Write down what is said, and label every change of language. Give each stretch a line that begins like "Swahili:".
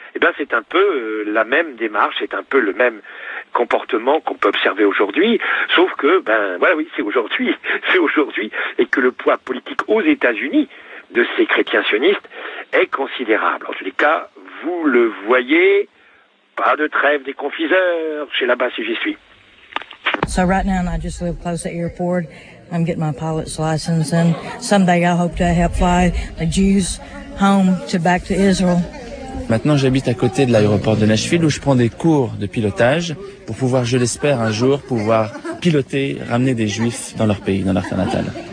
French: Eh bien, c'est un peu la même démarche, c'est un peu le même comportement qu'on peut observer aujourd'hui, sauf que, ben, voilà, oui, c'est aujourd'hui, et que le poids politique aux États-Unis de ces chrétiens sionistes est considérable. En tous les cas, vous le voyez, pas de trêve des confiseurs chez là-bas si j'y suis.
English: So right now, I just live close to Airford. I'm getting my pilot's license, and someday I hope to help fly the Jews home to back to Israel.
French: Maintenant, j'habite à côté de l'aéroport de Nashville où je prends des cours de pilotage pour pouvoir, je l'espère, un jour, pouvoir piloter, ramener des Juifs dans leur pays, dans leur terre natale.